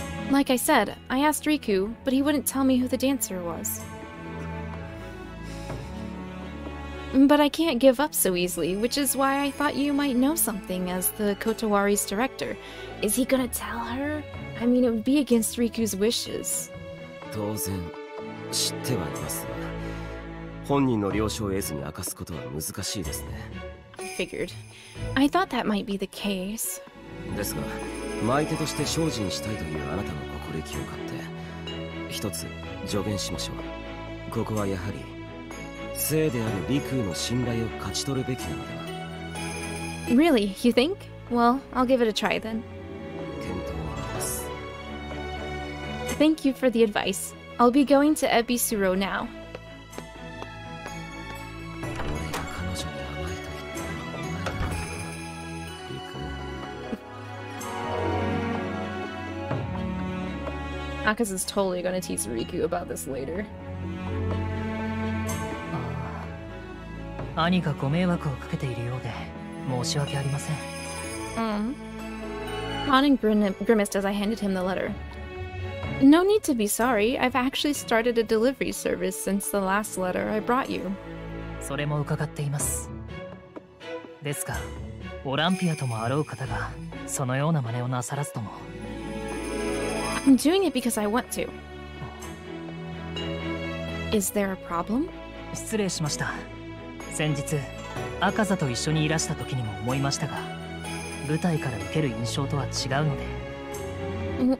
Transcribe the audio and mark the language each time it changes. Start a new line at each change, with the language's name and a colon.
English: Like I said, I asked Riku, but he wouldn't tell me who the dancer was. But I can't give up so easily, which is why I thought you might know something as the Kotowari's director. Is he gonna tell her? I mean, it would be against Riku's wishes.
Japanese: 当然知ってはいます。本人の了承を得ずに明かすことは難しいですね。
English: Figured. I thought that might be the case.
Japanese: ですが、相手として精進したいというあなたの心意気を買って、一つ助言しましょう。ここはやはり、聖であるリクーの信頼を勝ち取るべきなのでは。
English: Really? You think? Well, I'll give it a try then.
Japanese: 検討を待つ。
English: Thank you for the advice. I'll be going to Ebisuro now. Akaza's totally gonna tease Riku about this later.
Japanese: Anika, ご迷惑をかけているようで申し訳ありません。
English: Conning grimaced as I handed him the letter. No need to be sorry. I've actually started a delivery service since the last letter I brought you.
Japanese: それも伺っています。ですが、オランピアともあろう方がそのような真似をなさらずとも。
English: I'm doing it because I want to. Is there a problem?
Japanese: 失礼しました。先日、赤座と一緒にいらした時にも思いましたが、舞台から受ける印象とは違うので。